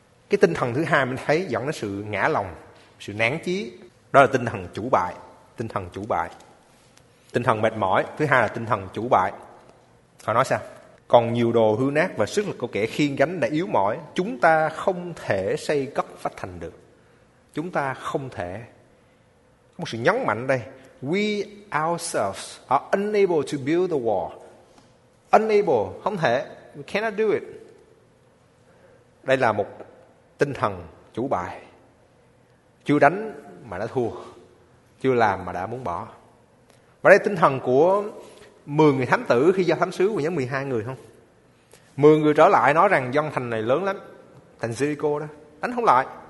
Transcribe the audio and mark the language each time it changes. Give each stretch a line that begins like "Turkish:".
Vietnamese: Cái tinh thần thứ hai mình thấy dẫn đến sự ngã lòng, sự nản chí, đó là tinh thần chủ bại. Tinh thần chủ bại. Tinh thần mệt mỏi, thứ hai là tinh thần chủ bại. Họ nói sao? Còn nhiều đồ hư nát và sức lực của kẻ khiêng gánh đã yếu mỏi, chúng ta không thể xây cất vách thành được. Chúng ta không thể. Có một sự nhấn mạnh đây.
English: We ourselves are unable to build the wall. Unable,
Vietnamese: không thể.
English: We cannot do it.
Vietnamese: Đây là một tinh thần chủ bại. Chưa đánh mà đã thua. Chưa làm mà đã muốn bỏ. Và đây là tinh thần của 10 người thám tử khi do thám sứ của nhóm 12 người không? 10 người trở lại nói rằng dân thành này lớn lắm, thành Jericho đó, đánh không lại.